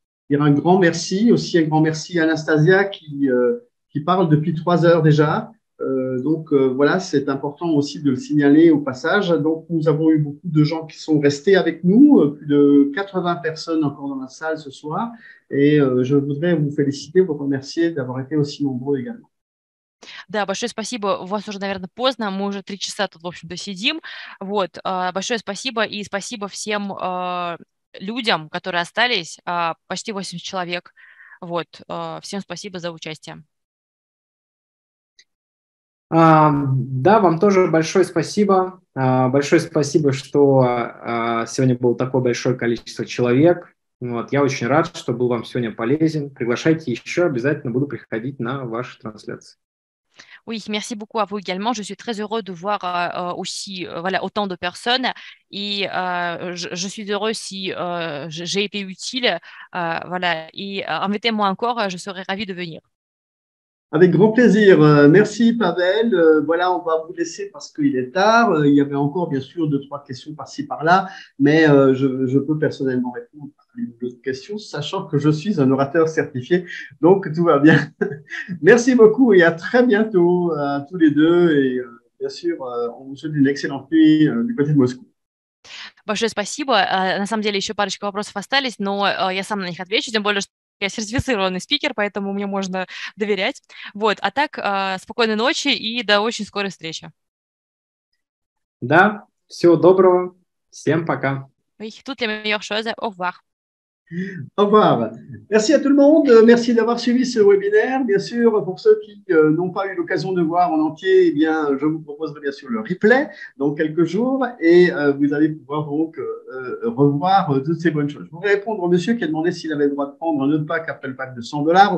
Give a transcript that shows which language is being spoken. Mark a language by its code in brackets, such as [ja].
[fr] dire un grand merci, aussi un grand merci à Anastasia qui parle depuis 3 heures déjà. Voilà, c'est important aussi de le signaler au passage. Donc, nous avons eu beaucoup de gens qui sont restés avec nous, plus de 80 personnes encore dans la salle ce soir. Et je voudrais vous féliciter, vous remercier d'avoir été aussi nombreux également. [ru] Да, большое спасибо. У вас уже, наверное, поздно. Мы уже 3 часа тут, в общем-то, сидим. Вот, большое спасибо и спасибо всем... людям, которые остались, почти 80 человек. Вот. Всем спасибо за участие. Да, вам тоже большое спасибо. Большое спасибо, что сегодня было такое большое количество человек. Вот. Я очень рад, что был вам сегодня полезен. Приглашайте еще, обязательно буду приходить на ваши трансляции. [fr] Oui, merci beaucoup à vous également. Je suis très heureux de voir aussi voilà, autant de personnes et je suis heureux si j'ai été utile. Voilà. Et invitez-moi encore, je serai ravie de venir. Avec grand plaisir. Merci, Pavel. Voilà, on va vous laisser parce qu'il est tard. Il y avait encore, bien sûr, 2-3 questions par-ci, par-là, mais je peux personnellement répondre à une autre question, sachant que je suis un orateur certifié, donc tout va bien. Merci beaucoup et à très bientôt à tous les deux. Et bien sûr, on vous souhaite une excellente nuit du côté de Moscou. [ru] Большое спасибо. На самом деле, еще парочка вопросов остались, но я сам на них отвечу, тем более, что я сертифицированный спикер, поэтому мне можно доверять. Вот, а так, спокойной ночи и до очень скорой встречи. Да, всего доброго. Всем пока. [fr] Tout le meilleur chose. Au revoir. Au revoir. Merci à tout le monde. Merci d'avoir suivi ce webinaire. Bien sûr, pour ceux qui n'ont pas eu l'occasion de voir en entier, eh bien, je vous proposerai bien sûr le replay dans quelques jours et vous allez pouvoir donc revoir toutes ces bonnes choses. Je voudrais répondre au monsieur qui a demandé s'il avait le droit de prendre un autre pack après le pack de 100 dollars.